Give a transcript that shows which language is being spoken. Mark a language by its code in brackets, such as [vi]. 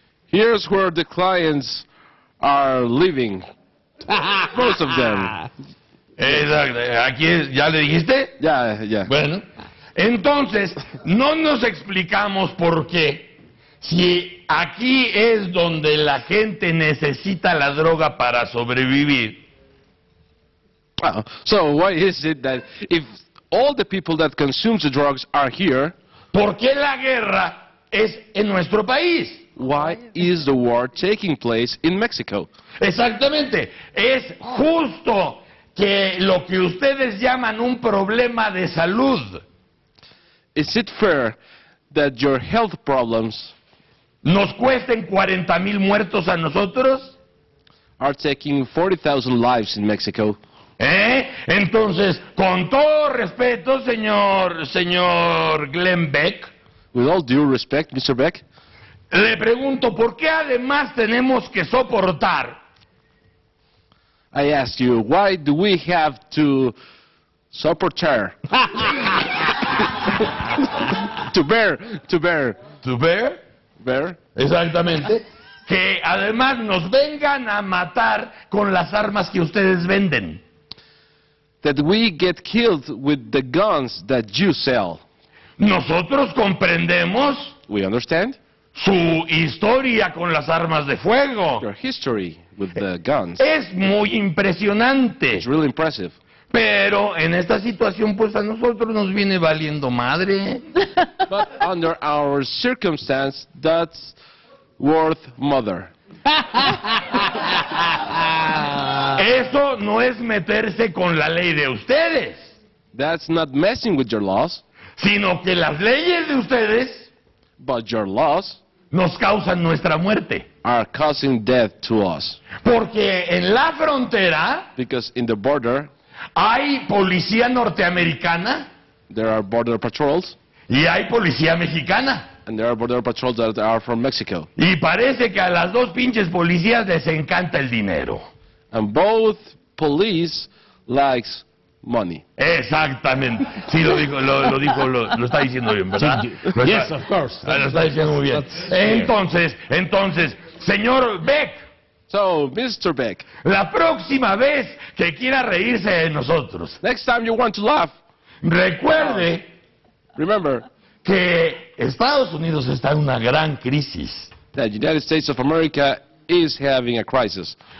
[en] Here's where the clients are living. Most of them. [es] Exacto. Aquí es, ¿ya le dijiste? Ya, yeah, ya. Yeah. Bueno. Entonces, no nos explicamos por qué. Si aquí es donde la gente necesita la droga para sobrevivir. [en] So why is it that if all the people that consume the drugs are here? [es] ¿Por qué la guerra es en nuestro país? [en] Why is the war taking place in Mexico? [es] Exactamente, es justo que lo que ustedes llaman un problema de salud. [en] Is it fair that your health problems [es] nos cuesten 40,000 muertos a nosotros? [en] Are taking 40,000 lives in Mexico. [es] ¿Eh? Entonces, con todo respeto, señor Glenn Beck. [en] With all due respect, Mr. Beck. [es] Le pregunto, ¿por qué además tenemos que soportar? [en] I ask you, why do we have to support her? To bear. [es] Exactamente. Que además nos vengan a matar con las armas que ustedes venden. [en] That we get killed with the guns that you sell. [es] Nosotros comprendemos. [en] We understand. [es] Su historia con las armas de fuego. [en] Your history with the guns. [es] Es muy impresionante. [en] It's really impressive. [es] Pero en esta situación, pues a nosotros nos viene valiendo madre. [en] But under our circumstance, that's worth mother. [es] Eso no es meterse con la ley de ustedes. [en] That's not messing with your laws. [es] Sino que las leyes de ustedes. [en] But your laws. [es] Nos causan nuestra muerte. [en] Are causing death to us. [es] Porque en la frontera. [en] Because in the border. [es] Hay policía norteamericana. [en] There are border patrols. [es] Y hay policía mexicana. [en] And there are border patrols that are from Mexico. [es] Y parece que a las dos pinches policías les encanta el dinero. [en] And both police likes money. [es] Exactamente. Sí, lo dijo, lo está diciendo bien, ¿verdad? [en] Yes, of course. [es] Lo está diciendo muy bien. Entonces, señor Beck. [en] So, Mr. Beck. [es] La próxima vez que quiera reírse de nosotros. [en] Next time you want to laugh. [es] Recuerde. [en] Remember. [es] Que Estados Unidos está en una gran crisis. [en] The United States of America is having a crisis.